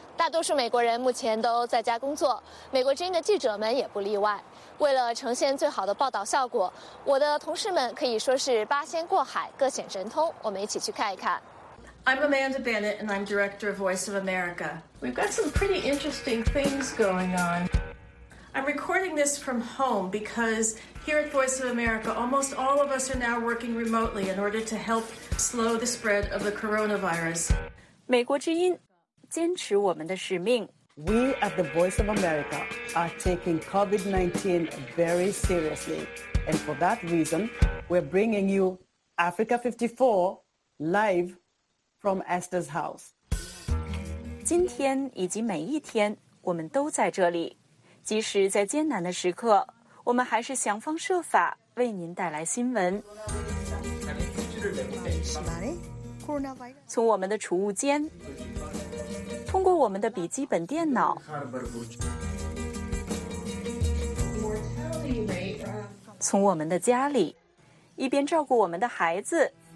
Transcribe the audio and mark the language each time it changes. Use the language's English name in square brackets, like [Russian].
[Chinese] 多数美国人目前都在家工作，美国之音的记者们也不例外。为了呈现最好的报道效果，我的同事们可以说是八仙过海，各显神通。我们一起去看一看。 [English] I'm Amanda Bennett and I'm director of Voice of America. We've got some pretty interesting things going on. I'm recording this from home because here at Voice of America, almost all of us are now working remotely in order to help slow the spread of the coronavirus. [Chinese] 美国之音。坚持我们的使命。 [English] We at the Voice of America are taking COVID-19 very seriously. And for that reason, we're bringing you Africa 54 live from Esther's house. [Chinese] 今天以及每一天，我们都在这里。即使在艰难的时刻，我们还是想方设法为您带来新闻。从我们的储物间，通过我们的笔记本电脑，从我们的家里，一边照顾我们的孩子，